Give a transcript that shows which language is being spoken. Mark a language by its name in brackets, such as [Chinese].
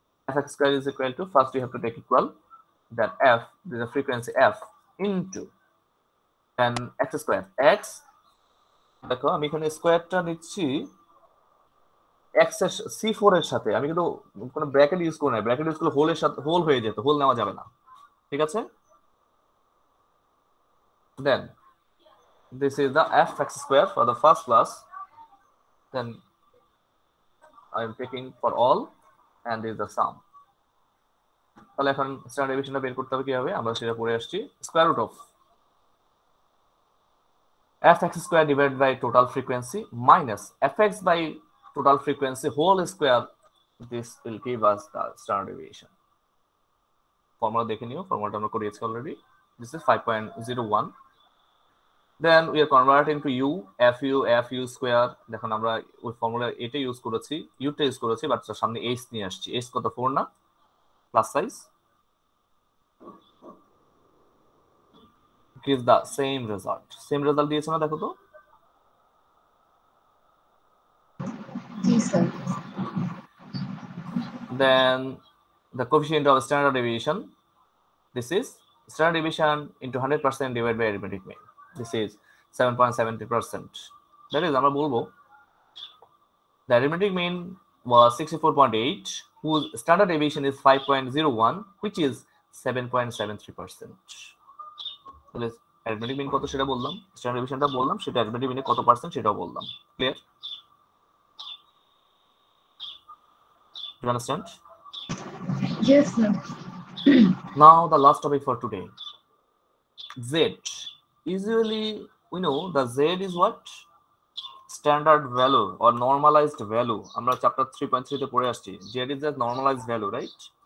[English] f x square is equal to, first you have to take equal that f, this a frequency f into then x square, [Bangla] x দেখো আমি এখানে স্কোয়ারটা নিচ্ছি x এর C four এর সাথে, আমি কিন্তু কোনো ব্র্যাকেট ইউজ করি না, ব্র্যাকেট ইউজ করলে হোল এর সাথে হোল হয়ে যেত, হোল নেওয়া যাবে না, ঠিক আছে। [English] Then this is the f x square for the first class, then I am taking for all and this is the sum. [Bangla] তাহলে এখন স্ট্যান্ডার্ড ডেভিয়েশন বের করতে হবে কিভাবে, আমরা সেটা পড়ে আসছি, [English] Square root of f x square divided by total frequency minus f x by total frequency whole square, this will give us the standard deviation. [Bangla] Formula দেখে নিও, ফর্মুলাটা আমরা করিয়েছি already, [English] This is 5.01. Then we are converting to u, f u, f u square. [Bangla] দেখুন আমরা ওই formula এটা use করেছি, u টা ইউজ করেছি, বাট সামনে h নিয়ে আসছি, h কত 4 না প্লাস সাইজ, [English] give the same result, [Bangla] সেম রেজাল্ট দিয়েছে না দেখো তো, [English] Then the coefficient of standard deviation, this is standard deviation into 100% divide by arithmetic mean, this is 7.70%. that is [Bangla] আমরা বলবো [English] the arithmetic mean was 64.8 whose standard deviation is 5.01 which is 7.73%. [Bangla] তাহলে arithmetic mean কত সেটা বললাম, standard deviationটা বললাম, সেটা arithmetic mean কত percent সেটাও বললাম, [English] clear, you understand? Yes sir. Now the last topic for today, z. Usually we know the z is what, standard value or normalized value, [Bangla] আমরা চ্যাপ্টার 3.3 তে পড়ে আসছি, [English] z is the normalized value, right?